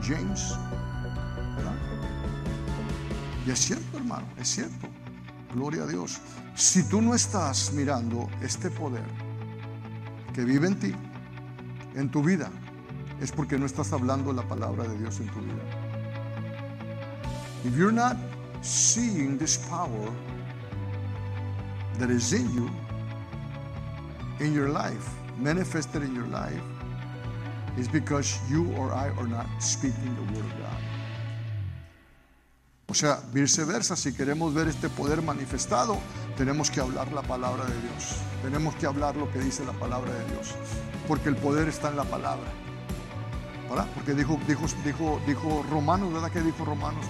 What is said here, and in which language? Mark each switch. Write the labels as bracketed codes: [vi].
[es] James, ¿verdad? Y es cierto, hermano, es cierto. Gloria a Dios. Si tú no estás mirando este poder que vive en ti, en tu vida, es porque no estás hablando la palabra de Dios en tu vida. [en] If you're not seeing this power that is in you, in your life, manifested in your life, it's because you or I are not speaking the word of God. [es] O sea, viceversa, si queremos ver este poder manifestado, tenemos que hablar la palabra de Dios. Tenemos que hablar lo que dice la palabra de Dios. Porque el poder está en la palabra. ¿Verdad? Porque dijo Romanos, ¿verdad que dijo Romanos?